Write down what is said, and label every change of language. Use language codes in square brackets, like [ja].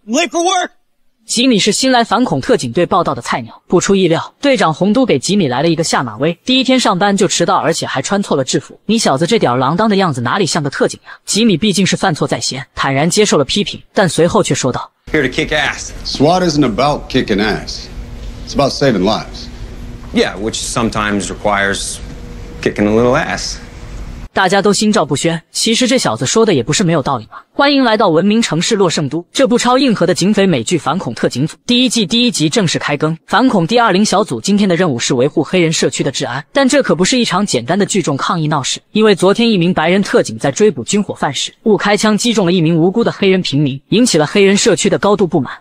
[en] Paperwork。 [zh] 吉米是新来反恐特警队报道的菜鸟，不出意料队长红都给吉米来了一个下马威，第一天上班就迟到，而且还穿错了制服，你小子这点锒铛的样子哪里像个特警呀？吉米毕竟是犯错在先，坦然接受了批评，但随后却说道 [en] Here to kick ass. SWAT isn't about kicking ass. It's about saving lives. Yeah, which sometimes requires kicking a little ass. [zh] 大家都心照不宣，其实这小子说的也不是没有道理嘛。欢迎来到文明城市洛圣都，这部超硬核的警匪美剧《反恐特警组》第一季第一集正式开更。反恐第20小组今天的任务是维护黑人社区的治安，但这可不是一场简单的聚众抗议闹事，因为昨天一名白人特警在追捕军火犯时误开枪击中了一名无辜的黑人平民，引起了黑人社区的高度不满。